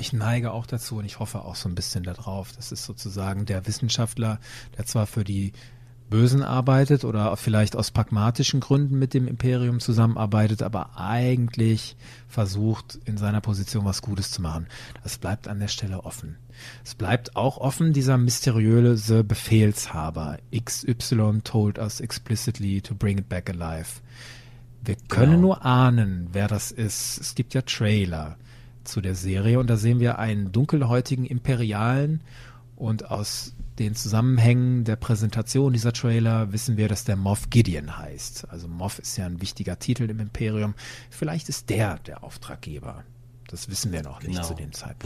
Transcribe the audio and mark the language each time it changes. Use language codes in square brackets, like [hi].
[de] Ich neige auch dazu und ich hoffe auch so ein bisschen darauf. Das ist sozusagen der Wissenschaftler, der zwar für die Bösen arbeitet oder vielleicht aus pragmatischen Gründen mit dem Imperium zusammenarbeitet, aber eigentlich versucht, in seiner Position was Gutes zu machen. Das bleibt an der Stelle offen. Es bleibt auch offen, dieser mysteriöse Befehlshaber. [en] XY told us explicitly to bring it back alive. [de] Wir können nur ahnen, wer das ist. Es gibt ja Trailer zu der Serie und da sehen wir einen dunkelhäutigen Imperialen und aus den Zusammenhängen der Präsentation dieser Trailer wissen wir, dass der Moff Gideon heißt. Also Moff ist ja ein wichtiger Titel im Imperium. Vielleicht ist der Auftraggeber. Das wissen wir noch nicht zu dem Zeitpunkt.